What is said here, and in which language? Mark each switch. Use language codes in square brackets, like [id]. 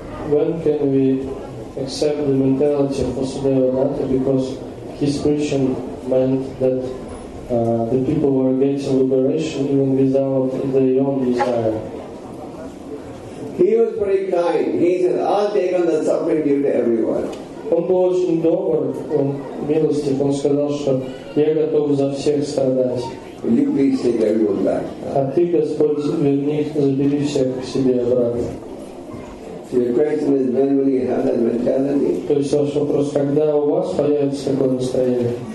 [en] When can we accept the mentality of Васудева Датты, because his preaching meant that the people were getting liberation even without their own desire. He was very kind. He said, I'll take on the suffering due to everyone. [ru] Он был очень добр, он милостив. Он сказал, что я готов за всех страдать. [en] Will you please take everyone back? [ru] А ты, Господь, верни, забери всех к себе обратно. [en] So your question is, when will you have that mentality? [ru] То есть ваш вопрос, когда у вас появится такое настроение?